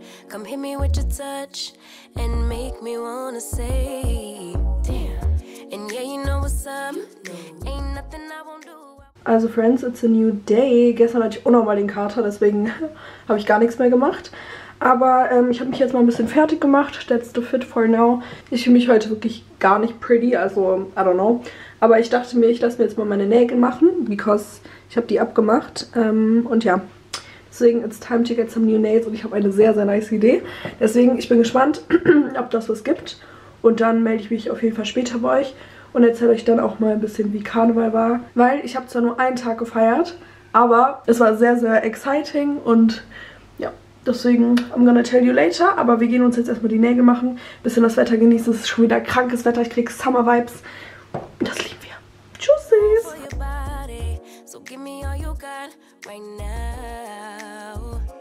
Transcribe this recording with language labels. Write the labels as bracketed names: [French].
[English] Come hit me with your touch and make me wanna say damn. And yeah, you know what's up. Ain't nothing I won't do. [German] Also Friends, [English] it's a new day. [German] Gestern hatte ich unnormal den Kater, deswegen habe ich gar nichts mehr gemacht. Aber ich habe mich jetzt mal ein bisschen fertig gemacht. [English] That's the fit for now. [German] Ich fühle mich heute wirklich gar nicht pretty. Also, [English] I don't know. [German] Aber ich dachte mir, ich lasse mir jetzt mal meine Nägel machen. Because ich habe die abgemacht. Und ja. [English] Deswegen, it's time to get some new nails. [German] Und ich habe eine sehr, sehr nice Idee. Deswegen, ich bin gespannt, ob das was gibt. Und dann melde ich mich auf jeden Fall später bei euch. Und erzähle euch dann auch mal ein bisschen, wie Karneval war. Weil ich habe zwar nur einen Tag gefeiert. Aber es war sehr, sehr exciting. Und ja, deswegen, [English] I'm gonna tell you later. [German] Aber wir gehen uns jetzt erstmal die Nägel machen. Bisschen das Wetter genießen. Es ist schon wieder krankes Wetter. Ich kriege Summer-Vibes. Das lieben wir. Tschüssis. [English] So give me all you got right now.